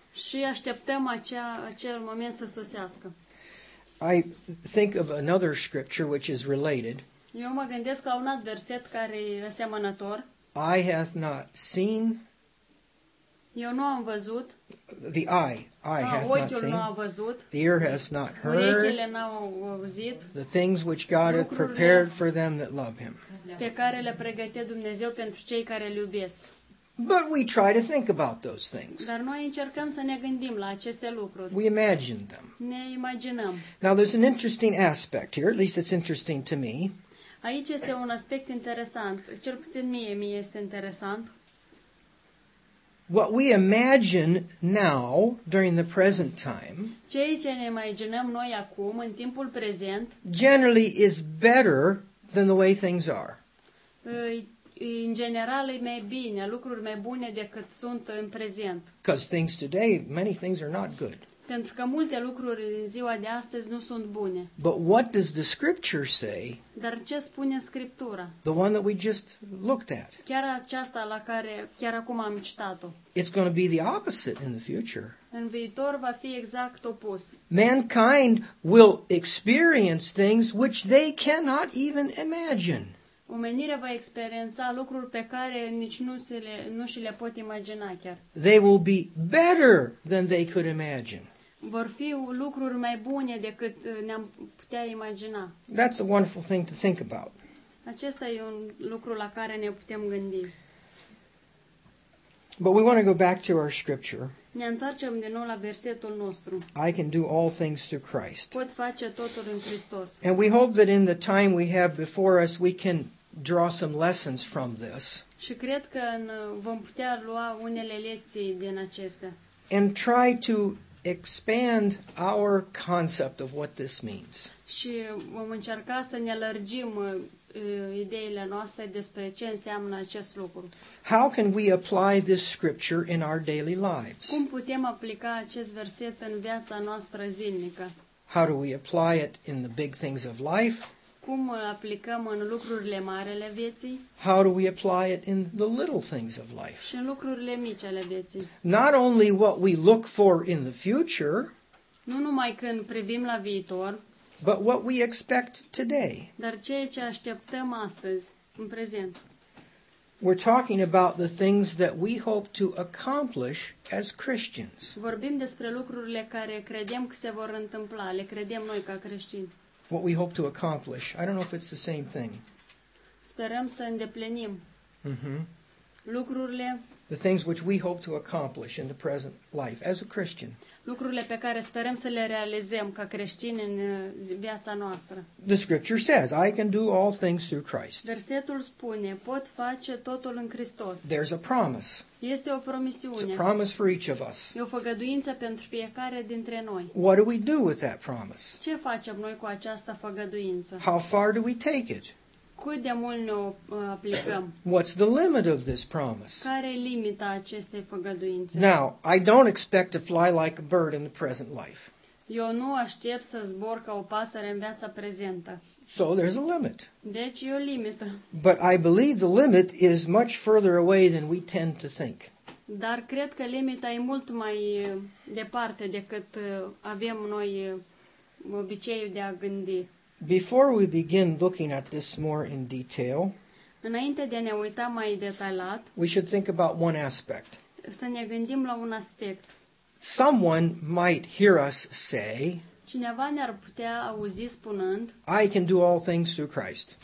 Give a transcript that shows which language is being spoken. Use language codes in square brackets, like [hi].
[ro] Și așteptăm acel moment să sosească. [en] I think of another scripture which is related. [ro] Eu mă gândesc la un alt verset care e asemănător. [en] Eye hath not seen. [ro] Eu nu am văzut. [en] The eye hath not seen. [ro] Ochiul nu a văzut. [en] The ear has not heard. [ro] Urechile n-au auzit. [en] The things which God hath prepared for them that love him. [ro] Pe care le pregătește Dumnezeu pentru cei care îl iubesc. [en] But we try to think about those things. [ro] Dar noi încercăm să ne gândim la aceste lucruri. [en] We imagine them. [ro] Ne imaginăm. [en] Now there's an interesting aspect here, at least it's interesting to me. [ro] Aici este un aspect interesant, cel puțin mie este interesant. [en] What we imagine now during the present time. [ro] Ceea ce ne imaginăm noi acum în timpul prezent. [en] Generally is better than the way things are. [ro] În general e mai bine, lucruri mai bune decât sunt în prezent. [en] Because things today, many things are not good. [ro] Pentru că multe lucruri în ziua de astăzi nu sunt bune. [en] But what does the scripture say? [ro] Dar ce spune Scriptura? [en] The one that we just looked at. [ro] Chiar aceasta la care chiar acum am citat-o. [en] It's going to be the opposite in the future. [ro] În viitor va fi exact opus. [en] Mankind will experience things which they cannot even imagine. [ro] Omenirea va experiența lucruri pe care nici nu și le pot imagina chiar. [en] They will be better than they could imagine. [ro] Vor fi lucruri mai bune decât ne-am putea imagina. [en] That's a wonderful thing to think about. [ro] Acesta e un lucru la care ne putem gândi. [en] But we want to go back to our scripture. [ro] Ne întoarcem din nou la versetul nostru. [en] I can do all things through Christ. [ro] Pot face totul în Hristos. [en] And we hope that in the time we have before us we can draw some lessons from this. [ro] Și cred că vom putea lua unele lecții din acestea. [en] And try to expand our concept of what this means. [ro] Și vom încerca să ne lărgim ideile noastre despre ce înseamnă acest lucru. [en] How can we apply this scripture in our daily lives? [ro] Cum putem aplica acest verset în viața noastră zilnică? [en] How do we apply it in the big things of life? [ro] Cum îl aplicăm în lucrurile mari ale vieții? [en] How do we apply it in the little things of life? [ro] Și în lucrurile mici ale vieții. [en] Not only what we look for in the future, [ro] nu numai când privim la viitor, [en] but what we expect today. [ro] Dar ceea ce așteptăm astăzi, în prezent. [en] We're talking about the things that we hope to accomplish as Christians. [ro] Vorbim despre lucrurile care credem că se vor întâmpla, le credem noi ca creștini. [en] What we hope to accomplish. I don't know if it's the same thing. [ro] Sperăm să îndeplinim lucrurile. [en] The things which we hope to accomplish in the present life as a Christian. [ro] Lucrurile pe care sperăm să le realizăm ca creștini în viața noastră. [en] The scripture says, I can do all things through Christ. [ro] Versetul spune, pot face totul în Hristos. [en] There's a promise. [ro] Este o promisiune. [en] It's a promise for each of us. [ro] E o făgăduință pentru fiecare dintre noi. [en] What do we do with that promise? [ro] Ce facem noi cu această făgăduință? [en] How far do we take it? [ro] Cât de mult ne aplicăm? [en] What's the limit of this promise? [ro] Care e limita acestei făgăduințe? [en] Now, I don't expect to fly like a bird in the present life. [ro] Eu nu aștept să zbor ca o pasăre în viața prezentă. [en] So there's a limit. [ro] Deci e o limită. [en] But I believe the limit is much further away than we tend to think. [ro] Dar cred că limita e mult mai departe decât avem noi obiceiul de a gândi. [en] Before we begin looking at this more in detail, [ro] înainte de a ne uita mai detaliat, [en] we should think about one aspect. [ro] Să ne gândim la un aspect. [en] Someone might hear us say, [ro] cineva ne-ar putea auzi spunând, [en] I can do all things through Christ.